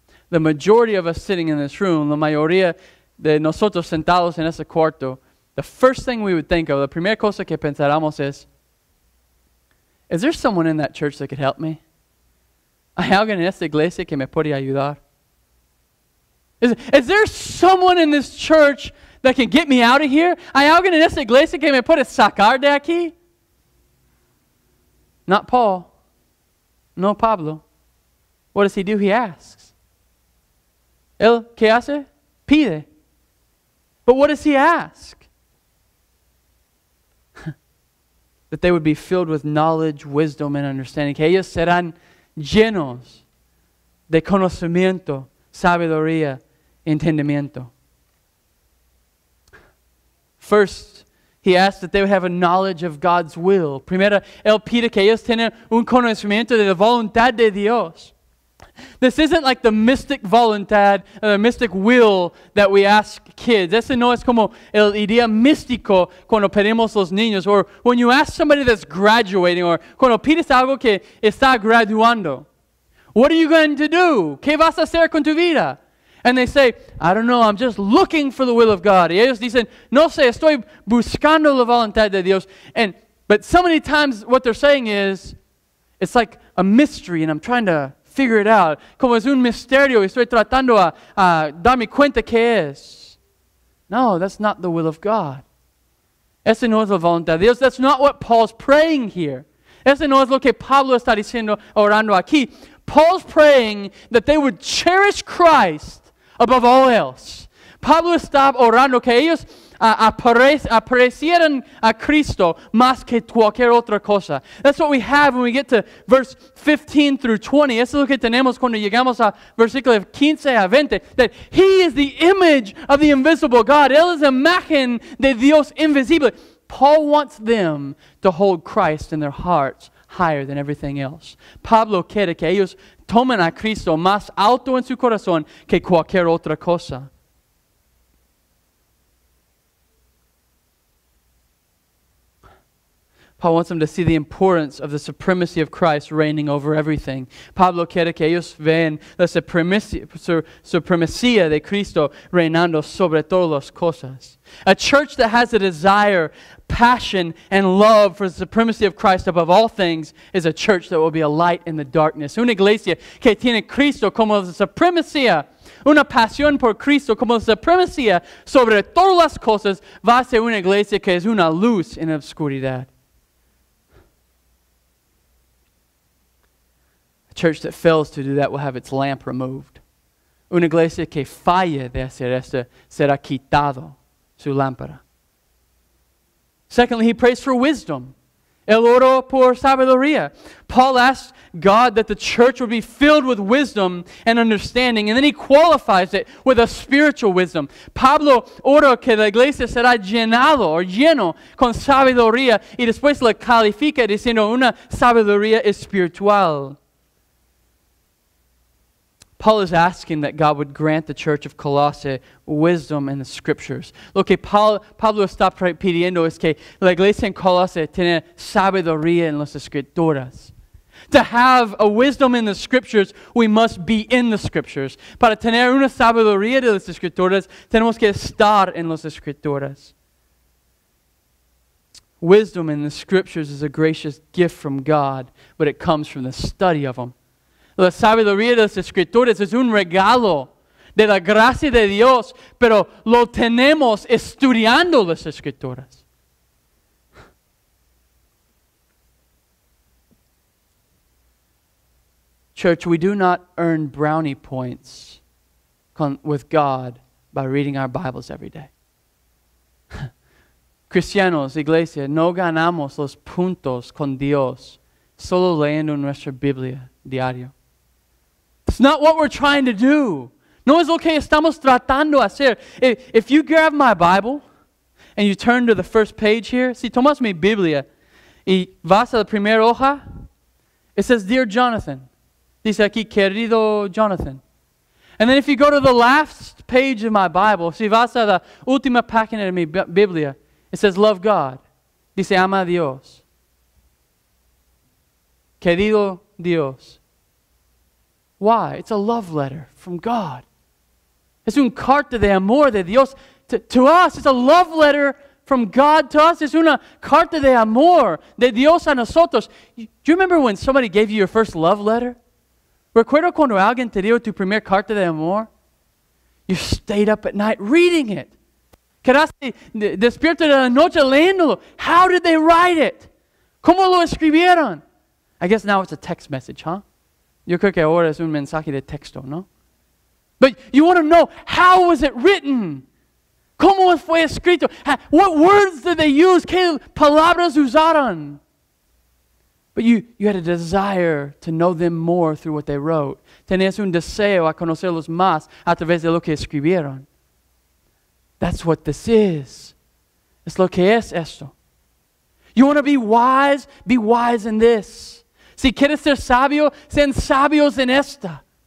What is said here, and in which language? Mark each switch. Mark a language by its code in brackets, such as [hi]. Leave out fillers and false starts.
[en] The majority of us sitting in this room, [es] la mayoría de nosotros sentados en ese cuarto, [en] the first thing we would think of, [es] la primera cosa que pensáramos [en] is there someone in that church that could help me? [es] ¿Hay alguien en esta iglesia que me puede ayudar? [en] Is there someone in this church that can get me out of here? [es] ¿Hay alguien en esta iglesia que me puede sacar de aquí? [en] Not Paul, [es] no Pablo. [en] What does he do? He asks. [es] Él, ¿qué hace? Pide. [en] But what does he ask? That they would be filled with knowledge, wisdom, and understanding. [es] Que ellos serán llenos de conocimiento, sabiduría, entendimiento. [en] First, he asked that they would have a knowledge of God's will. [es] Primera, él pide que ellos tengan un conocimiento de la voluntad de Dios. [en] This isn't like the mystic voluntad, the mystic will that we ask kids. [es] Ese no es como el idea místico cuando pedimos los niños. [en] Or when you ask somebody that's graduating, or [es] cuando pides algo que está graduando. [en] What are you going to do? [es] ¿Qué vas a hacer con tu vida? [en] And they say, I don't know, I'm just looking for the will of God. [es] Y ellos dicen, no sé, estoy buscando la voluntad de Dios. [en] But so many times what they're saying is, it's like a mystery and I'm trying to figure it out. [es] Como es un misterio y estoy tratando a darme cuenta qué es. [en] No, that's not the will of God. [es] Ese no es la voluntad de Dios. [en] That's not what Paul's praying here. [es] Ese no es lo que Pablo está diciendo, orando aquí. [en] Paul's praying that they would cherish Christ above all else. [es] Pablo está orando que ellos aprecieran a Cristo más que cualquier otra cosa. [en] That's what we have when we get to verse 15 through 20. [es] Eso es lo que tenemos cuando llegamos a versículo 15 a 20. [en] That he is the image of the invisible God. [es] Él es imagen de Dios invisible. [en] Paul wants them to hold Christ in their hearts higher than everything else. [es] Pablo quiere que ellos tomen a Cristo más alto en su corazón que cualquier otra cosa. [en] Paul wants them to see the importance of the supremacy of Christ reigning over everything. [es] Pablo quiere que ellos vean la supremacía de Cristo reinando sobre todas las cosas. [en] A church that has a desire, passion, and love for the supremacy of Christ above all things is a church that will be a light in the darkness. [es] Una iglesia que tiene Cristo como la supremacía, una pasión por Cristo como la supremacía sobre todas las cosas, va a ser una iglesia que es una luz en la oscuridad. [en] Church that fails to do that will have its lamp removed. [es] Una iglesia que falla de hacer esto será quitado su lámpara. [en] Secondly, he prays for wisdom. [es] El oro por sabiduría. [en] Paul asked God that the church would be filled with wisdom and understanding, and then he qualifies it with a spiritual wisdom. [es] Pablo ora que la iglesia será llenado o lleno con sabiduría, y después la califica diciendo una sabiduría espiritual. [en] Paul is asking that God would grant the church of Colossae wisdom in the scriptures. [es] Lo que Pablo está pidiendo es que la iglesia en Colossae tiene sabiduría en las escrituras. [en] To have a wisdom in the scriptures, we must be in the scriptures. [es] Para tener una sabiduría de las escrituras, tenemos que estar en las escrituras. [en] Wisdom in the scriptures is a gracious gift from God, but it comes from the study of them. [es] La sabiduría de las escrituras es un regalo de la gracia de Dios, pero lo tenemos estudiando las escrituras. [en] Church, we do not earn brownie points with God by reading our Bibles every day. [es] Cristianos, iglesia, no ganamos los puntos con Dios solo leyendo nuestra Biblia diario. [en] It's not what we're trying to do. [es] No es lo que estamos tratando de hacer. [en] If you grab my Bible and you turn to the first page here, [es] si tomas mi Biblia y vas a la primera hoja, [en] it says, Dear Jonathan. [es] Dice aquí, querido Jonathan. [en] And then if you go to the last page of my Bible, [es] si vas a la última página de mi Biblia, [en] it says, Love God. [es] Dice, ama a Dios. Querido Dios. [en] Why? It's a love letter from God. [es] Es un carta de amor de Dios [en] to us. It's a love letter from God to us. [es] Es una carta de amor de Dios a nosotros. [en] Do you remember when somebody gave you your first love letter? [es] ¿Recuerdo cuando alguien te dio tu primer carta de amor? [en] You stayed up at night reading it. [es] ¿Quedaste despierto de la noche leyéndolo? How did they write it? ¿Cómo lo escribieron? [en] I guess now it's a text message, huh? [es] Yo creo que ahora es un mensaje de texto, ¿no? [en] But you want to know, how was it written? [es] ¿Cómo fue escrito? What words did they use? ¿Qué palabras usaron? [en] But you had a desire to know them more through what they wrote. [es] Tenías un deseo a conocerlos más a través de lo que escribieron. [en] That's what this is. [es] Es lo que es esto. [en] You want to be wise? Be wise in this. [es] Si quieres ser sabio, sean sabios en esta.